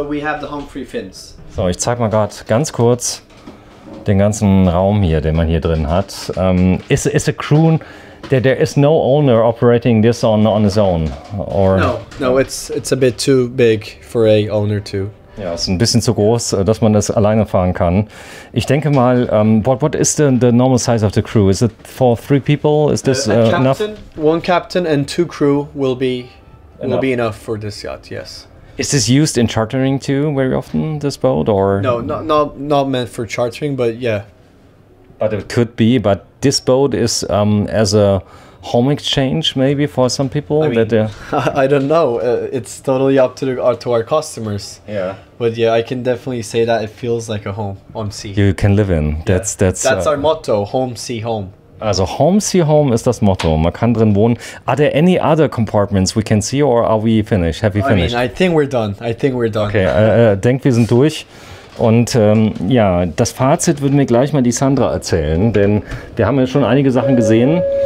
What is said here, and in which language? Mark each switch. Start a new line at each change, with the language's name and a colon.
German: So, ich zeig mal gerade ganz kurz den ganzen Raum hier, den man hier drin hat.
English: Is a crew, there is no owner operating this on his own? Or? No, it's a bit too big for a owner to.
German: Ja, es ist ein bisschen zu groß, dass man das alleine fahren kann. Ich denke mal,
English: what is the normal size of the crew? Is it for three people? Is this enough? One captain and two crew will be enough for this yacht, yes. Is this used in chartering too very often, this boat? Or? No, not meant for chartering, but yeah. But it could be, but this boat is as a home exchange maybe for some people. I mean, that I don't know, it's totally up to our customers. Yeah, but yeah, I can definitely say that it feels like a home on sea you can live in. That's our motto, home sea home.
German: Also home sea home is das Motto, man kann drin wohnen.
English: Are there any other compartments we can see, or are we finished? Have we finished? I think we're done.
German: Okay, denk, wir sind durch. Und ja, das Fazit würde mir gleich mal die Sandra erzählen, denn wir haben ja schon einige Sachen gesehen.